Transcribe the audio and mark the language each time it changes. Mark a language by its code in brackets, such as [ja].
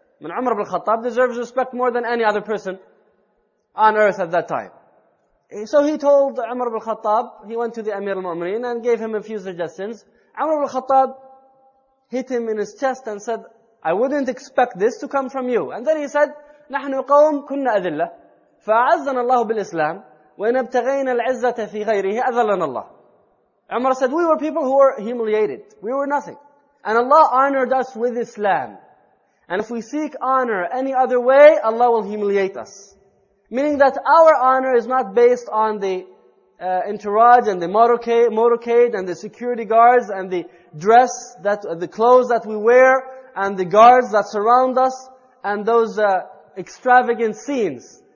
[en] And Umar al-Khattab deserves respect more than any other person on earth at that time. So he told Umar al-Khattab, he went to the Amir al-Mu'mineen and gave him a few suggestions. Umar al-Khattab hit him in his chest and said, I wouldn't expect this to come from you. And then he said, [ar] نحن قوم كنا أذلة فأعزنا الله بالإسلام وإن ابتغينا العزة في غيره أذلنا الله. [en] Umar said, we were people who were humiliated. We were nothing. And Allah honored us with Islam. And if we seek honor any other way, Allah will humiliate us. Meaning that our honor is not based on the entourage and the motorcade and the security guards and the dress, that the clothes that we wear and the guards that surround us and those extravagant scenes.